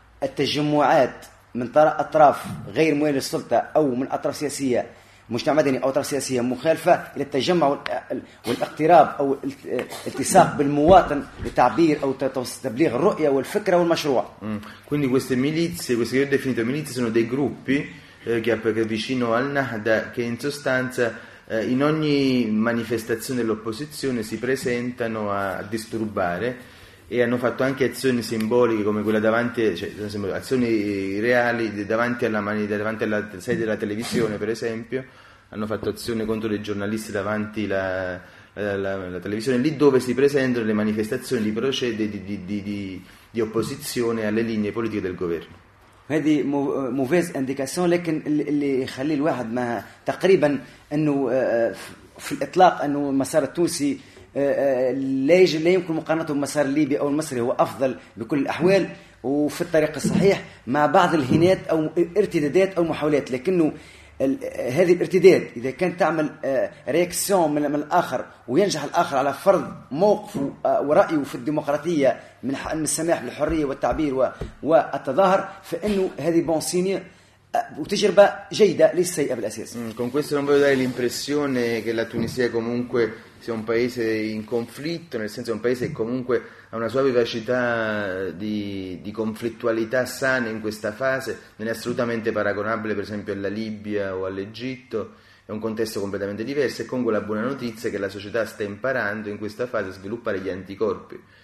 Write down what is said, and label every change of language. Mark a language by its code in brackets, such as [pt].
[ar] التجمعات من أطراف غير موالية للسلطة أو من أطراف سياسية مجتمع مدني أو أطراف سياسية مخالفة إلى التجمع والاقتراب أو الالتصاق بالمواطن لتعبير أو تبليغ الرؤية والفكرة والمشروع. [it] Quindi queste milizie, queste che ho definito milizie, sono dei gruppi che vicino al Nahda, che in sostanza in ogni manifestazione dell'opposizione si presentano a disturbare e hanno fatto anche azioni simboliche come quella davanti, cioè, azioni reali davanti alla, davanti alla sede della televisione, per esempio, hanno fatto azioni contro i giornalisti davanti alla la televisione, lì dove si presentano le manifestazioni di procede di opposizione alle linee politiche del governo. [ar] هذه [fr] موفيز انديكاسيون [ar] لكن اللي يخلي الواحد ما تقريبا انه في الاطلاق انه المسار التونسي لا يمكن مقارنته بمسار الليبي او المصري هو افضل بكل الاحوال وفي الطريق الصحيح مع بعض الهينات او ارتدادات او محاولات لكنه هذه الارتداد اذا كانت تعمل [fr] رياكسيون [ar] من الاخر وينجح الاخر على فرض موقفه ورايه في الديمقراطيه من السماح للحريه والتعبير والتظاهر فانه هذه [fr] بون سيني [ar] وتجربه جيده ليس سيئه بالاساس. [it] Con questo non voglio dare l'impressione che la Tunisia comunque sia un paese in conflitto, nel senso è un paese che comunque ha una sua vivacità di conflittualità sana in questa fase, non è assolutamente paragonabile per esempio alla Libia o all'Egitto, è un contesto completamente diverso e con quella buona notizia che la società sta imparando in questa fase a sviluppare gli anticorpi,